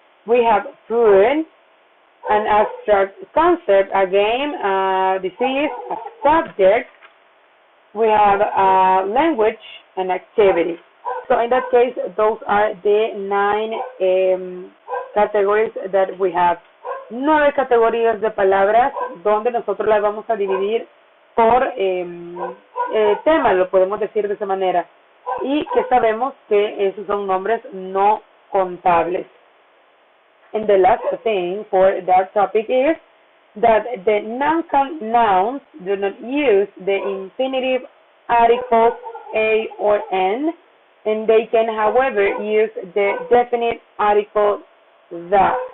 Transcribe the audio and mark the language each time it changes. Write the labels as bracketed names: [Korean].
[English] We have food, an abstract concept, a game, a disease, a subject. We have a language, an activity. So in that case, those are the 9 categories that we have. [Spanish] 9 categorías de palabras donde nosotros las vamos a dividir por tema, lo podemos decir de esa manera. Y que sabemos que esos son nombres no contables. [English] And the last thing for that topic is that the noncoun nouns do not use the infinitive articles A or N, and they can, however, use the definite article the.